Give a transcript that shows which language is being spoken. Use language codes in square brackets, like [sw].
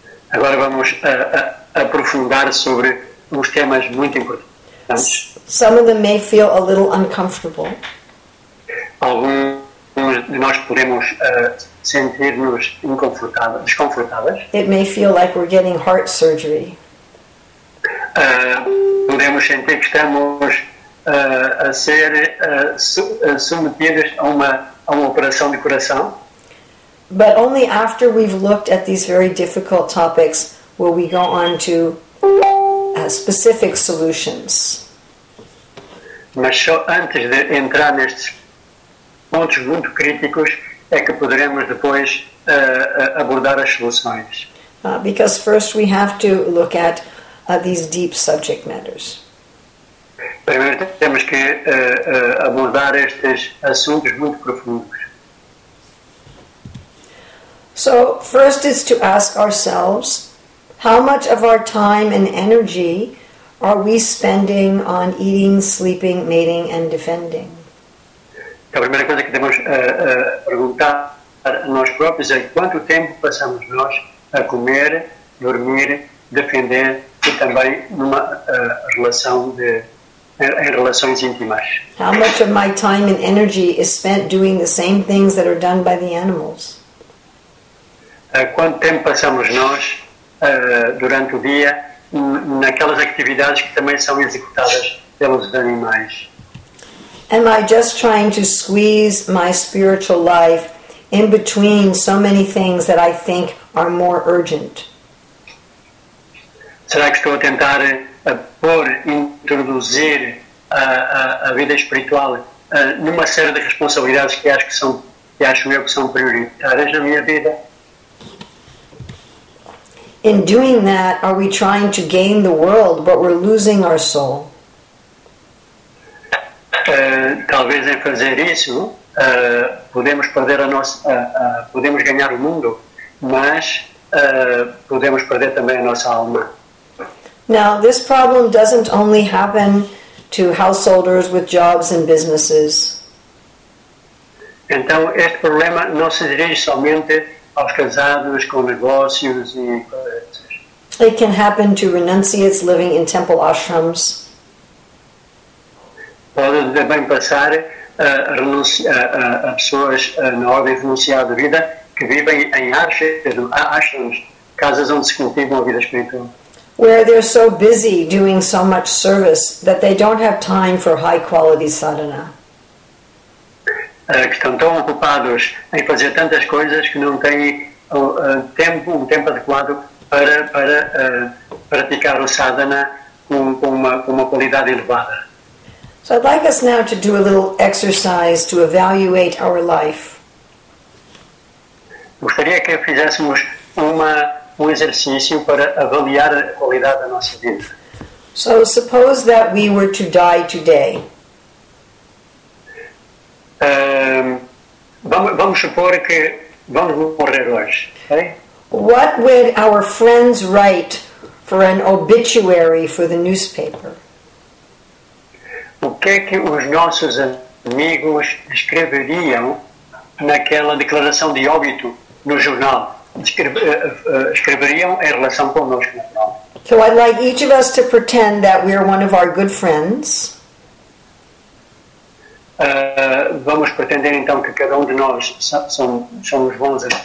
[pt] Agora vamos aprofundar sobre uns temas muito importantes. [en] Some of them may feel a little uncomfortable. [pt] Alguns de nós podemos sentir-nos desconfortáveis. [en] It may feel like we're getting heart surgery. [pt] Podemos sentir que estamos a ser submetidos a uma operação de coração. [en] But only after we've looked at these very difficult topics will we go on to specific solutions. [pt] Mas só antes de entrar nestes pontos muito críticos é que poderemos depois abordar as soluções. [en] Because first we have to look at these deep subject matters. [pt] Primeiro temos que abordar estes assuntos muito profundos. [en] So, first is to ask ourselves how much of our time and energy are we spending on eating, sleeping, mating, and defending? [pt] A primeira coisa que devemos perguntar a nós próprios é quanto tempo passamos nós a comer, dormir, defender e também numa relação em relações íntimas. [en] How much of my time and energy is spent doing the same things that are done by the animals? [pt] Quanto tempo passamos nós durante o dia naquelas atividades que também são executadas pelos animais? [en] Am I just trying to squeeze my spiritual life in between so many things that I think are more urgent? [pt] Será que estou a tentar introduzir a vida espiritual numa série de responsabilidades que acho eu que são prioritárias na minha vida? [en] In doing that, are we trying to gain the world, but we're losing our soul? [pt] Talvez em fazer isso, podemos perder a nossa, podemos ganhar o mundo, mas podemos perder também a nossa alma. [en] Now, this problem doesn't only happen to householders with jobs and businesses. [pt] Então, este problema não se dirige somente aos casados com negócios e [en] it can happen to renunciates living in temple ashrams. [pt] Pode também passar a pessoas na ordem renunciada de vida que vivem em ashrams, casas onde se cultivam a vida espiritual. [en] Where they're so busy doing so much service that they don't have time for high quality sadhana. [pt] Que estão tão ocupados em fazer tantas coisas que não têm um tempo adequado para praticar o sadhana com uma qualidade elevada. [en] So I'd like us now to do a little exercise to evaluate our life. [pt] Gostaria que fizéssemos um exercício para avaliar a qualidade da nossa vida. [en] So suppose that we were to die today. [pt] Vamos supor que vamos morrer hoje, ok? [en] What would our friends write for an obituary for the newspaper. [pt] O que é que os nossos amigos escreveriam naquela declaração de óbito no jornal? Escreveriam em relação conosco. [en] So I'd like each of us to pretend that we are one of our good friends. [pt] Vamos pretender então que cada de nós somos bons.